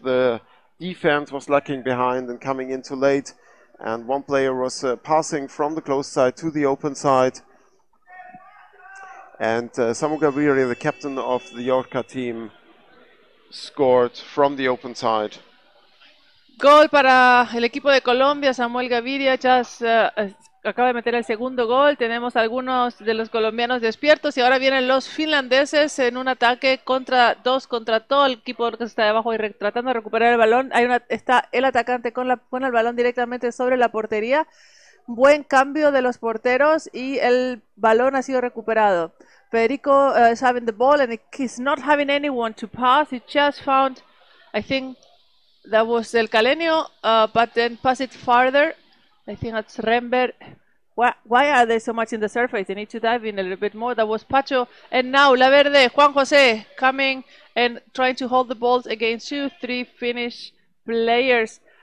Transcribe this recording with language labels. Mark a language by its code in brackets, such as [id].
[en] The defense was lacking behind and coming in too late. And one player was passing from the close side to the open side. And Samu Gaviri, the captain of the Orca team, scored from the open side. [es] Gol para el equipo de Colombia, Samuel Gaviria, just acaba de meter el segundo gol. Tenemos algunos de los colombianos despiertos y ahora vienen los finlandeses en un ataque contra dos contra todo. El equipo de Orcas está debajo y tratando de recuperar el balón. Hay una, está el atacante con, la, con el balón directamente sobre la portería. Buen cambio de los porteros y el balón ha sido recuperado. [en] Federico is having the ball and he's not having anyone to pass. He just found, I think that was El Calenio, but then pass it farther. I think that's Rembert. Why are they so much in the surface? They need to dive in a little bit more. That was Pacho. And now La Verde, Juan José, coming and trying to hold the balls against two, three Finnish players.